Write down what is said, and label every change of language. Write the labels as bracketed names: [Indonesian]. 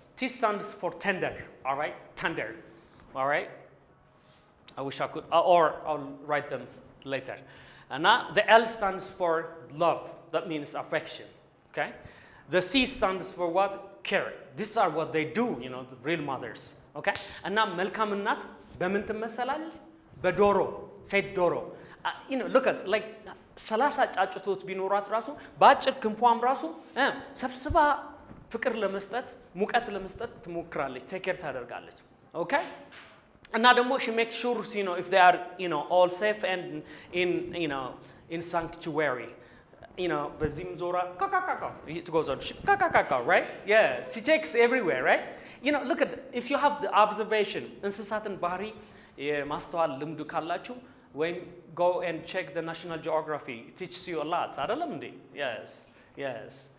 [English] T stands for tender, all right? Tender, all right? I wish I could. Or I'll write them later. And now the L stands for love. That means affection, okay? The C stands for what? Care. These are what they do, you know, the real mothers, okay? And now, [Amharic] መልካም እናት በምን ትመሰላል? በዶሮ, say ዶሮ. [English] You know, look at, like, [Amharic] ሰላሳ ጫጩቶች ቢኖራት ራሱ, በአጭር ክንፏም ራሱ, ሰብስባ ፍቅር ለመስጠት, ሙቀት ለመስጠት ትሞክራለች, take care ታደርጋለች, okay? [English] And now, she makes sure, you know, if they are, you know, all safe and in, you know, in sanctuary. You know, Bazim Zora, it goes on, right? Yeah, she takes everywhere, right? You know, look at, if you have the observation, [Amharic] እንስሳትን ባህሪ የማስተዋል ልምዱ ካላችሁ, [English] when go and check the National Geography, it teaches you a lot, [Amharic] አይደለም እንዴ? [English] Yes.